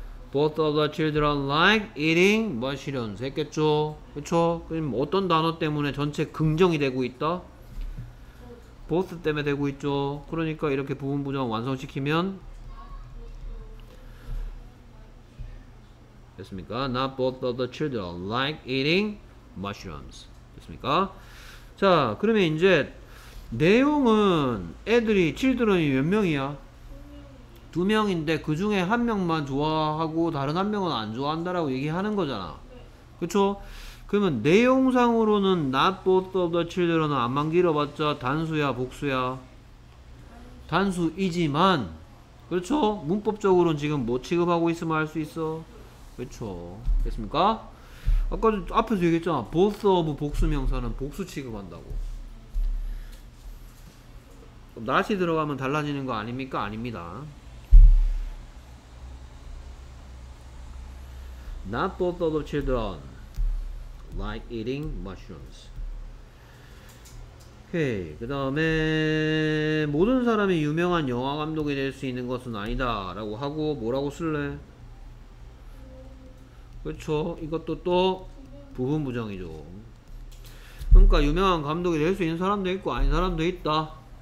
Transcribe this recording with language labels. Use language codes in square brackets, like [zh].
[en] Both of the children like eating mushrooms [ko] 했겠죠? 그쵸? 그럼 어떤 단어 때문에 전체 긍정이 되고 있다? Both 때문에 되고 있죠. 그러니까 이렇게 부분부정 완성시키면 됐습니까? [en] Not both of the children like eating mushrooms [ko] 됐습니까? 자, 그러면 이제 내용은 애들이, children이 몇 명이야? 두 명인데 그 중에 한 명만 좋아하고 다른 한 명은 안 좋아한다라고 얘기하는 거잖아. 그쵸? 그러면 내용상으로는 [en] not both of the children [ko] 안만 길어봤자 단수야, 복수야? 단수이지만, 그렇죠? 문법적으로는 지금 뭐 취급하고 있으면 할 수 있어? 그렇죠. 됐습니까? 아까 앞에서 얘기했잖아. both of 복수 명사는 복수 취급한다고. 그럼 not이 들어가면 달라지는 거 아닙니까? 아닙니다. [en] not both of the children like eating mushrooms. [ko] 오케이. 그 다음에 모든 사람이 유명한 영화 감독이 될 수 있는 것은 아니다 라고 하고 뭐라고 쓸래? 그렇죠. 이것도 또 부분 부정이죠. 그러니까 유명한 감독이 될 수 있는 사람도 있고 아닌 사람도 있다.